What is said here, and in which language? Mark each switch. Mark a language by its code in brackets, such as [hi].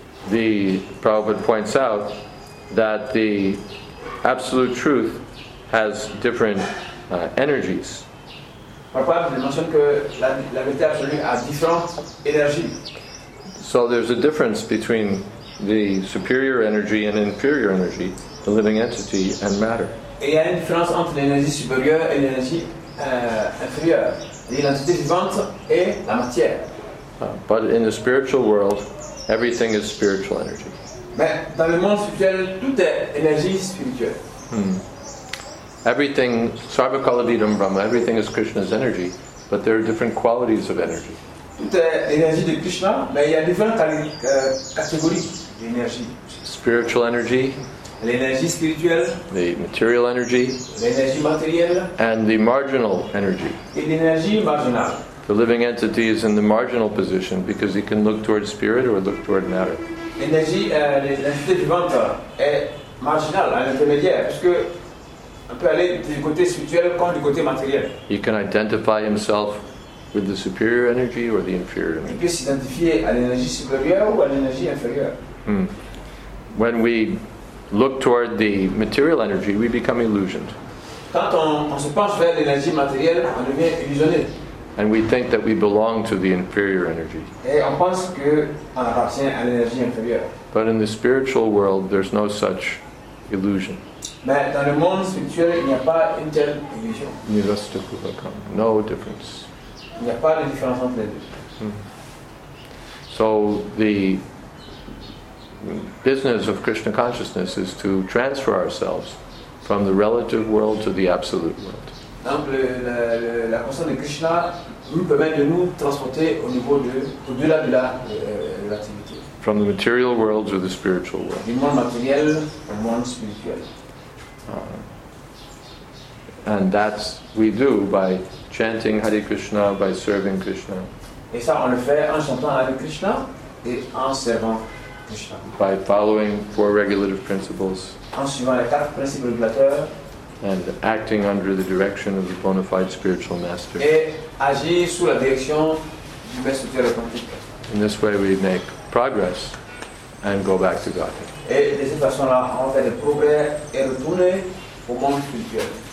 [en] The Prabhupada points out that the absolute truth has different energies. [fr] Prabhupada mentionne que la vérité absolue a différentes énergies. [en] So there's a difference between the superior energy and inferior energy, the living entity and matter. [fr] Et il y a une différence entre l'énergie supérieure et l'énergie inférieure, l'entité vivante et la matière. [en] But in the spiritual world, everything is spiritual energy. [fr] Mais dans le monde spirituel, tout est énergie spirituelle. [en] Everything, [sa] sarva kalavidam brahma, [en] everything is Krishna's energy, but there are different qualities of energy. [fr] Tout est énergie de Krishna, mais il y a différentes catégories d'énergie. [en] Spiritual energy. [fr] L'énergie spirituelle. [en] The material energy. [fr] L'énergie matérielle. [en] And the marginal energy. [fr] Et l'énergie marginale. [en] The living entity is in the marginal position because he can look toward spirit or look toward matter. [fr] L'entité vivante est marginale, un intermédiaire, puisque on peut aller du côté spirituel comme du côté matériel. [en] He can identify himself with the superior energy or the inferior energy. [fr] Il peut s'identifier à l'énergie supérieure ou à l'énergie inférieure. [en] When we look toward the material energy, we become illusioned. [fr] Quand on se penche vers l'énergie matérielle, on devient illusionné. [en] And we think that we belong to the inferior energy. [fr] Et on pense que on appartient à l'énergie inférieure. [en] But in the spiritual world, there's no such illusion. [fr] Mais dans le monde spirituel, il n'y a pas une telle illusion. [en] No difference. [fr] Il n'y a pas de différence entre les deux. [en] So the business of Krishna consciousness is to transfer ourselves from the relative world to the absolute world. [fr] Donc la conscience de Krishna nous permet de nous transporter au niveau de au-delà de l'activité. [en] From the material world to the spiritual world. [fr] Du monde matériel au monde spirituel. [en] And that's we do by chanting Hare Krishna, by serving Krishna. [fr] Et ça on le fait en chantant Hare Krishna et en servant Krishna. [en] By following four regulative principles. [fr] En suivant les quatre principes régulateurs. [en] And acting under the direction of the bona fide spiritual master. [fr] Et agir sous la direction du maître spirituel authentique. [en] In this way we make progress and go back to God. [fr] Et de cette façon-là, on fait des progrès et retourne au monde spirituel.